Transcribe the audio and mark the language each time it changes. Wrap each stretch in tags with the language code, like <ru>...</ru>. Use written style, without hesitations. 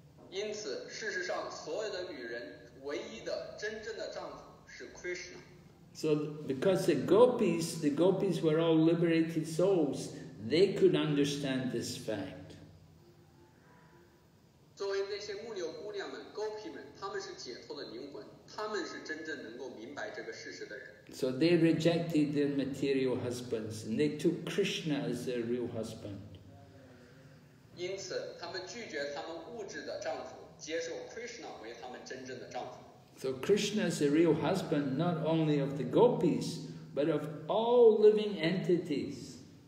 <zh>因此事实上所有的女人唯一的真正的丈夫是 Krishna。</zh> <en>So because the gopis were all liberated souls, they could understand this fact.</en> <zh>作为那些牧牛姑娘们 ,gopi 们他们是解脱的灵魂他们是真正能够明白这个事实的人。</zh> <en>So they rejected their material husbands, and they took Krishna as their real husband.</en> <zh>因此他们拒绝他们物质的丈夫接受 Krishna 为他们真正的丈夫。</zh> <en>So Krishna is the real husband not only of the gopis, but of all living entities.</en>